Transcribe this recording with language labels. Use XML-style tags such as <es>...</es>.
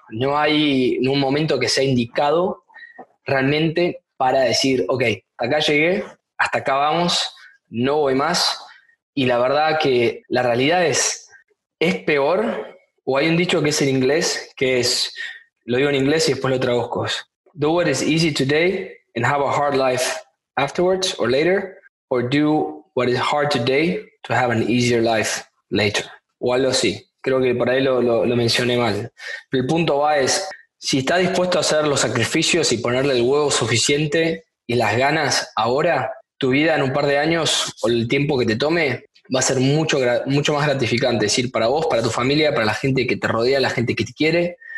<es>No hay un momento que sea indicado realmente para decir, ok, acá llegué, hasta acá vamos, no voy más. Y la verdad que la realidad es peor, o hay un dicho que es en inglés, que es, lo digo en inglés y después lo traduzco.</es> <en>Do what is easy today and have a hard life afterwards or later, or do what is hard today to have an easier life later.</en> <es>O algo así. Creo que por ahí lo mencioné mal. Pero el punto va es, si estás dispuesto a hacer los sacrificios y ponerle el huevo suficiente y las ganas ahora, tu vida en un par de años o el tiempo que te tome va a ser mucho, mucho más gratificante. Es decir, para vos, para tu familia, para la gente que te rodea, la gente que te quiere.</es>